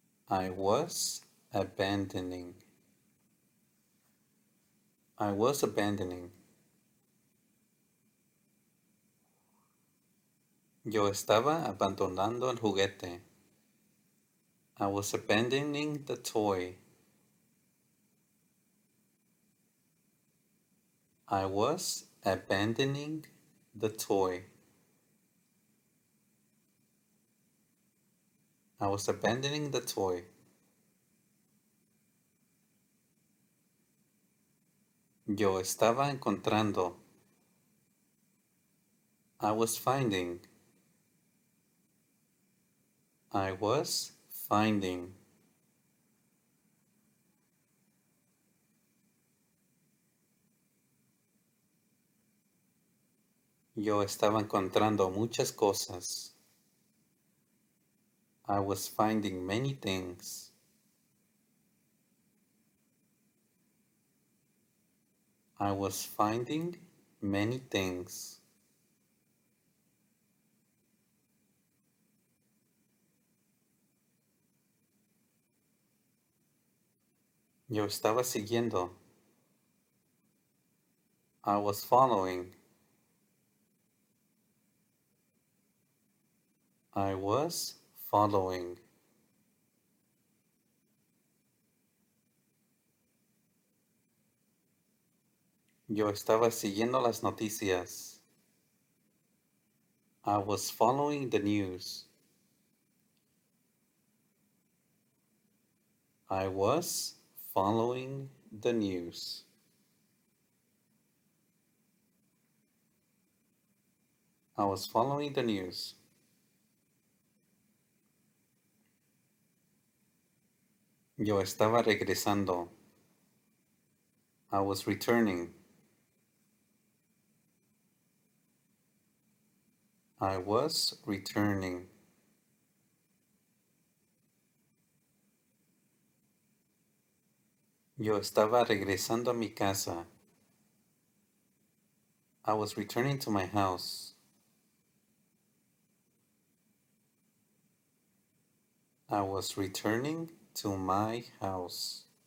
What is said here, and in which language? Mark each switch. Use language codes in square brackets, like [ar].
[en] I was abandoning. I was abandoning. [es] Yo estaba abandonando el juguete. [en] I was abandoning the toy. I was abandoning the toy. I was abandoning the toy. [es] Yo estaba encontrando. [en] I was finding. I was finding. [es] Yo estaba encontrando muchas cosas. [en] I was finding many things. I was finding many things. [es] Yo estaba siguiendo. [en] I was following. I was following. [es] Yo estaba siguiendo las noticias. [en] I was following the news. I was following the news. I was following the news. [es] Yo estaba regresando. [en] I was returning. I was returning. [es] Yo estaba regresando a mi casa. [en] I was returning to my house. I was returning to my house.